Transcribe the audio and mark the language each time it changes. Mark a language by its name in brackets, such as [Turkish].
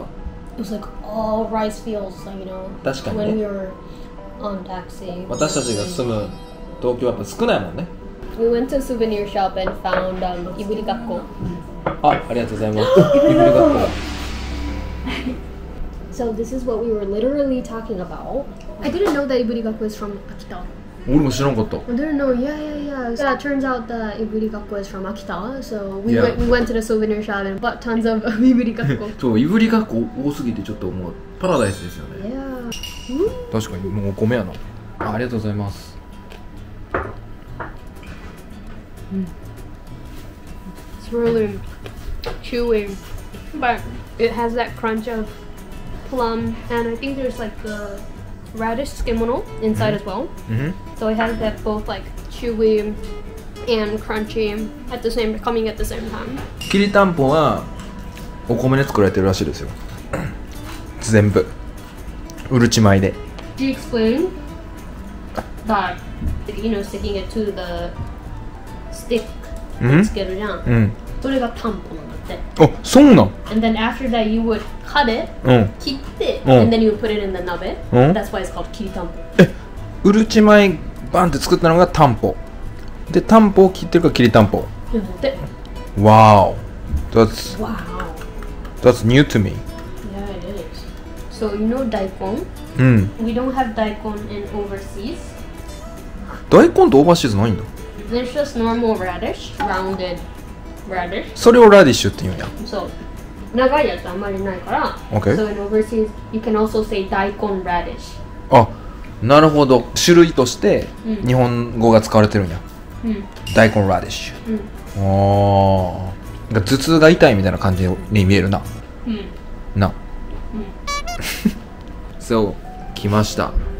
[English] It was like all rice fields, like, you know. [Japanese] 確かにね。 [English] When we were on taxi. [Japanese] 私たちが住む東京はやっぱ少ないもんね。 [English] We went to a souvenir shop and found, イブリ学校。 [Japanese] あ、ありがとうございます。イブリ学校。 [English] So this is what we were literally talking about. I didn't know that イブリ学校 is from 秋田。 [Japanese] 俺も知らんかった。 [English] I don't know. Yeah. So it turns out that Iburi Gakko is from Akita. So we went to the souvenir shop and bought tons of Iburi Gakko. [Japanese] そう、Iburi Gakko 多すぎてちょっともうパラダイスですよね。 [English] Yeah. [Japanese] 確かにもうお米やな。ありがとうございます。 [English] It's really chewy, but it has that crunch of plum, and I think there's like the radish 漬物 inside as well. So it has that both like chewy and crunchy at the same coming at the same time. [Japanese] きりたんぽはお米で作られてるらしいですよ。全部うるち米で。 [English] Do you explain that you know sticking it to the stick [Japanese] つけるじゃん。それがたんぽなんだって。あ、そうなん。 [English] And then after that you would cut it, [Japanese] 切って、 [English] and then you would put it in the 鍋。 That's why it's called きりたんぽ。 [Japanese] うるち米バンって作ったのがタンポで、タンポを切ってるからきりたんぽ。 [English] わお、That's new to me. Yeah, it is. So you know 大根？We don't have 大根 in overseas. [Japanese] 大根とオーバーシーズないんだ。 [English] There's just normal radish, rounded radish. [Japanese] それをラディッシュって言うんや。 So 長いやつあんまりないから。 [English] Okay. So in overseas, you can also say 大根 radish. [Japanese] あ。なるほど、種類として日本語が使われてるんや。大根ラディッシュ。ああ、頭痛が痛いみたいな感じに見えるな。な。そう、来ました。